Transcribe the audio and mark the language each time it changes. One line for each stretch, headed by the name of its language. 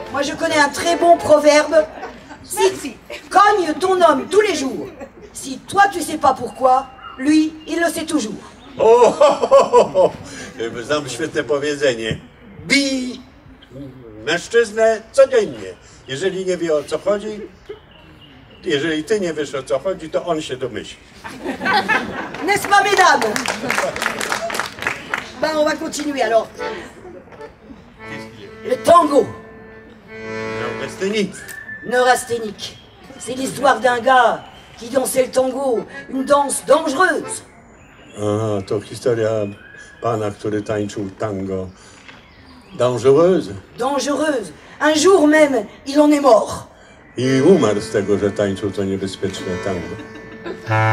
French: Moi, je connais un très bon proverbe. Si, si, cogne ton homme tous les jours. Si toi, tu sais pas pourquoi, lui, il le sait toujours.
Polish: Oh, znam świetne powiedzenie. Bij mężczyznę codziennie. Jeżeli nie wie, o co chodzi, jeżeli ty nie wiesz, o co chodzi, to on się domyśli.
French: N'est-ce pas, mesdames? Ben, on va continuer, alors. Le tango. Neurasthénique. Neurasthénique. C'est l'histoire d'un gars qui dansait le tango, une danse dangereuse.
Polish: Ah, to historia pana, który tańczył tango.
French: Dangereuse. Dangereuse. Un jour même, il en est mort.
Polish: I umarł z tego, że tańczył to niebezpieczne tango.